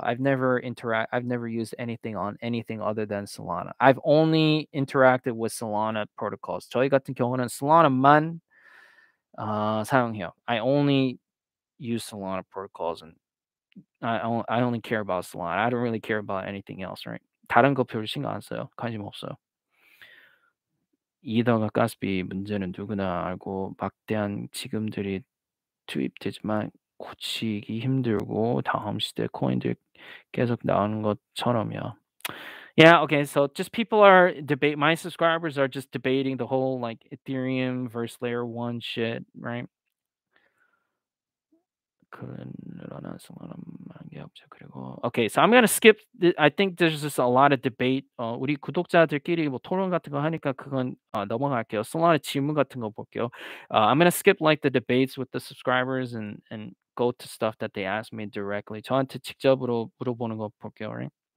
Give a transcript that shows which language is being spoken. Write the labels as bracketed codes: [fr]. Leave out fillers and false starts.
[en] I've never used anything on anything other than Solana. I've only interacted with Solana protocols. [ko] 저희 같은 경우는 Solana만 사용해요. [en] I only use Solana protocols and I only care about Solana. I don't really care about anything else, right? [ko] 다른 거 별로 신경 안 써요. 관심 없어. 이더가 가스비 문제는 누구나 알고 막대한 지금들이 투입되지만 고치기 힘들고 다음 시대 코인들 계속 나오는 것처럼요. [en] Yeah, okay, so just people are debate. My subscribers are just debating the whole like Ethereum versus Layer 1 shit, right? [ko] 그러나 상관은 게 없죠. 그리고 [en] okay, so I'm gonna skip. I think there's just a lot of debate. [ko] 우리 구독자들끼리 뭐 토론 같은 거 하니까 그건 넘어갈게요. Solana 질문 같은 거 볼게요. [en] I'm gonna skip like the debates with the subscribers and go to stuff that they ask me directly. [ko] 저한테 직접으로 물어보는 거 볼게요.